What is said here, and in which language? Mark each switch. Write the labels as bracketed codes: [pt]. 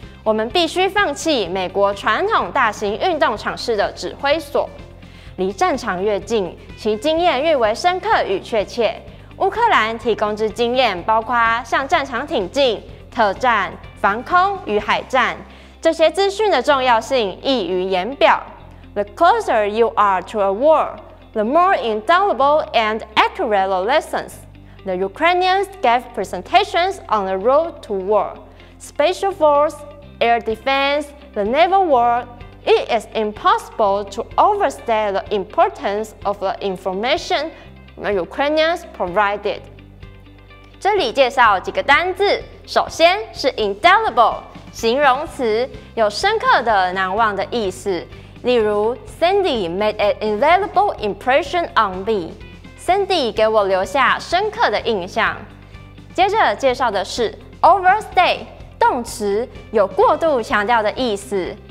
[zh] 我们必须放弃美国传统大型运动场式的指挥所，离战场越近，其经验越为深刻与确切。乌克兰提供之经验包括向战场挺进、特战、防空与海战，这些资讯的重要性溢于言表。 [en] The closer you are to a war, the more indelible and accurate the lessons the Ukrainians gave presentations on the road to war. Special force, air defense, the naval war. It is impossible to overstate the importance of the information the Ukrainians provided. [zh] 这里介绍几个单字，首先是 indelible， 形容词，有深刻的、难忘的意思。 [en] 例如，Sandy made an indelible impression on me。 [zh] Sandy 给我留下深刻的印象。接着介绍的是 overstate， 动词，有过度强调的意思。